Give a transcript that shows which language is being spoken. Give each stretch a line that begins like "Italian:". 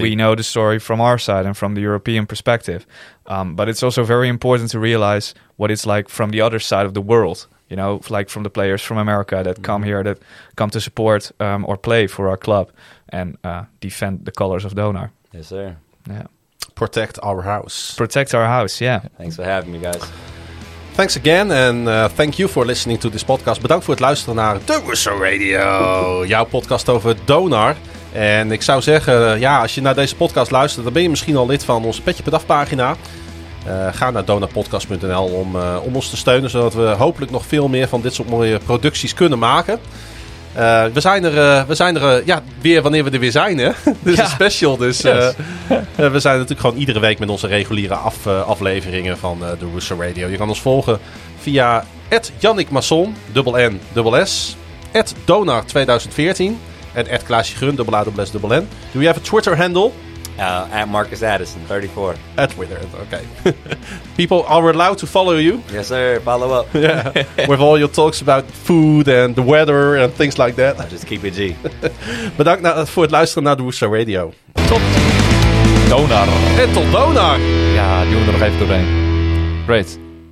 English: We know the story from our side and from the European perspective. But it's also very important to realize what it's like from the other side of the world, you know, like from the players from America that come here, that come to support or play for our club and defend the colors of Donar. Yes, sir. Yeah. Protect our house. Protect our house, yeah. Thanks for having me, guys. Thanks again and thank you for listening to this podcast.
Dutch: Bedankt voor het luisteren naar The Russo Radio, jouw podcast over Donar. En ik zou zeggen, ja, als je naar deze podcast luistert, dan ben je misschien al lid van onze Petje Per Dag pagina. Ga naar donarpodcast.nl om ons te steunen, zodat we hopelijk nog veel meer van dit soort mooie producties kunnen maken. We zijn er weer wanneer we er weer zijn, hè? Dit is een special, dus we zijn natuurlijk gewoon iedere week met onze reguliere afleveringen van de Russo Radio. Je kan ons volgen via @Yannick Masson, NNSS, @Donar2014 en @Klaasje Grun, NNSSN. Doe je even Twitter handle? @MarcusAddison34.
English: @Twitter, okay. People are allowed to follow you. Yes, sir. Follow up. Yeah, with all your talks about food and the weather and things like that. I'll just keep it G.
Dutch: Bedankt voor het luisteren naar de Russo Radio. Tot Donar. En tot Donar. Ja, die moeten we nog even doorheen. Great.